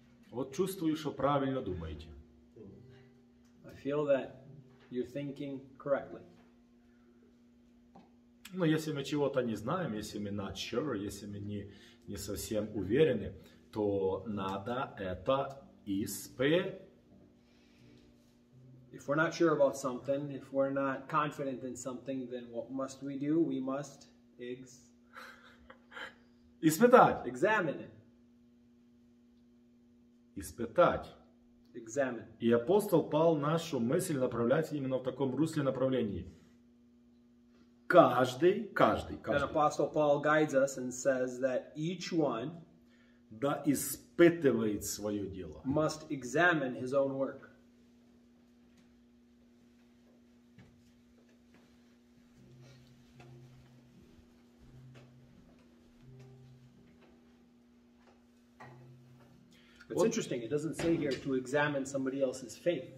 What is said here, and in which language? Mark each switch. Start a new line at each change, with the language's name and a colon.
Russian: Вот чувствую, что правильно думаете.
English: I feel that you're thinking correctly.
Russian: Ну, если мы чего-то не знаем, если мы
English: not sure,
Russian: если мы не совсем уверены, то надо это испытать.
English: If we're not sure about something, if we're not confident in something, then what must we do? We must
Russian: испытать.
English: Examine it.
Russian: Испытать.
English: Examine.
Russian: И апостол Павел нашу мысль направляет именно в таком русле направлении. Каждый.
English: And Apostle Paul guides us and says that each one
Russian: да испытывает свое дело.
English: Must examine his own work. It's вот. Interesting. It doesn't say here to examine somebody else's faith.